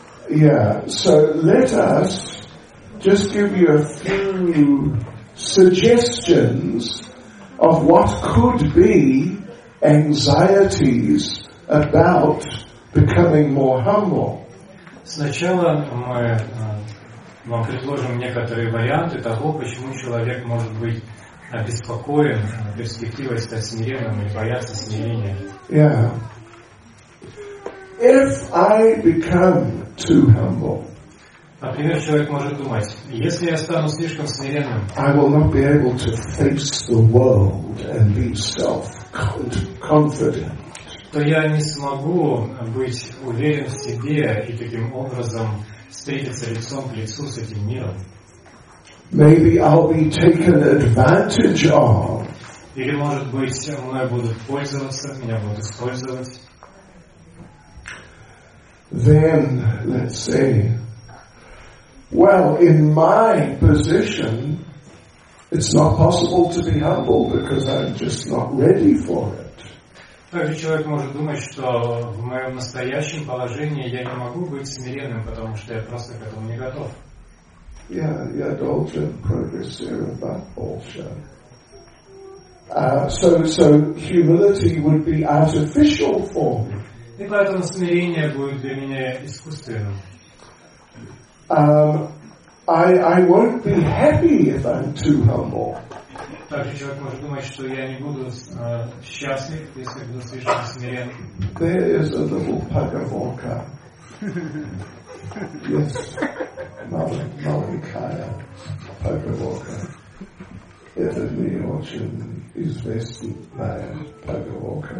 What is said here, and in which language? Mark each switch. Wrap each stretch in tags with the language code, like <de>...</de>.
<en>Yeah, so let us just give you a few suggestions of what could be anxieties about becoming more humble.</en> <ru>Сначала мы вам предложим некоторые варианты того, почему человек может быть обеспокоен перспективой стать смиренным и бояться смирения.</ru> <en>Yeah. If I become too humble,</en> <ru>например, человек может думать, если я стану слишком смиренным,</ru> <en>I will not be able to face the world and be self-confident.</en> <ru>То я не смогу быть уверен в себе и таким образом встретиться лицом к лицу с этим миром.</ru> <en>Maybe I'll be taken advantage of.</en> <ru>Или, может быть, мной будут пользоваться, меня будут использовать.</ru> <en>Then, let's say, well, in my position, it's not possible to be humble because I'm just not ready for it.</en> <ru>Также человек может думать, что в моем настоящем положении я не могу быть смиренным, потому что я просто к этому не готов.</ru> <en>Yeah, yeah, Dalton, progressive, but also. So humility would be artificial for me.</en> <ru>И поэтому смирение будет для меня искусственным.</ru> <en>I won't be happy if I'm too humble.</en> <ru>Также человек может думать, что я не буду счастлив, если буду слишком смирен.</ru> <en>There is a little pug of orca. Yes, Mali Kaya, pug of orca.</en> <ru>Это не очень известная pug of orca.</ru>